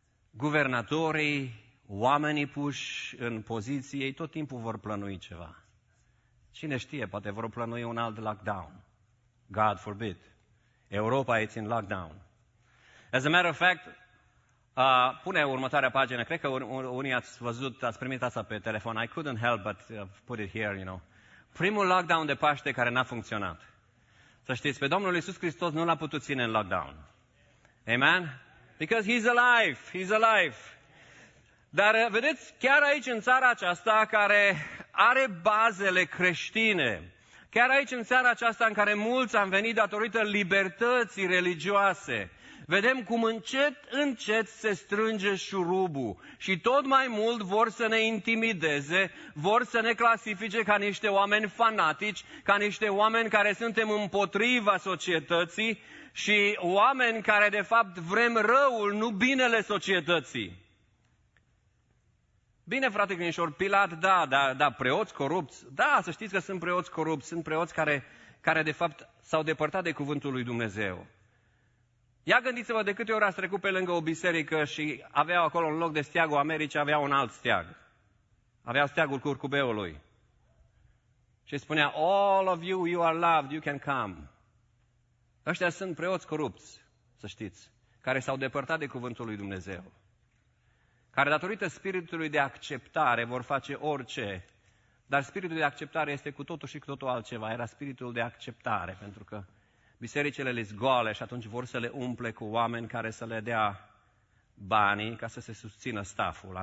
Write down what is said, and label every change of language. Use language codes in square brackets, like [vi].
[ro] Guvernatorii, oamenii puși în poziție, tot timpul vor plănui ceva. Cine știe, poate vor plănui un alt lockdown. [en] God forbid. [ro] Europa e în lockdown. [en] As a matter of fact, [ro] pune următoarea pagină. Cred că unii ați văzut, ați primit asta pe telefon. [en] I couldn't help but put it here, you know. [ro] Primul lockdown de Paște care n-a funcționat. Să știți, pe Domnul Iisus Hristos nu l-a putut ține în lockdown. Amen? [en] Because He's alive! He's alive! [ro] Dar vedeți, chiar aici în țara aceasta care are bazele creștine, chiar aici în țara aceasta în care mulți am venit datorită libertății religioase, vedem cum încet, încet se strânge șurubul și tot mai mult vor să ne intimideze, vor să ne clasifice ca niște oameni fanatici, ca niște oameni care suntem împotriva societății și oameni care de fapt vrem răul, nu binele societății. Bine, frate Crinișor, Pilat, da, preoți corupți, da, să știți că sunt preoți corupți, sunt preoți care de fapt s-au depărtat de cuvântul lui Dumnezeu. Ia gândiți-vă de câte ori ați trecut pe lângă o biserică și aveau acolo în loc de steagul Americii, aveau un alt steag. Aveau steagul curcubeului. Și spunea, [en] all of you, you are loved, you can come. [ro] Ăștia sunt preoți corupți, să știți, care s-au depărtat de cuvântul lui Dumnezeu. Care datorită spiritului de acceptare vor face orice, dar spiritul de acceptare este cu totul și cu totul altceva. Era spiritul de acceptare, pentru că bisericele le zgoale și atunci vor să le umple cu oameni care să le dea banii ca să se susțină staful.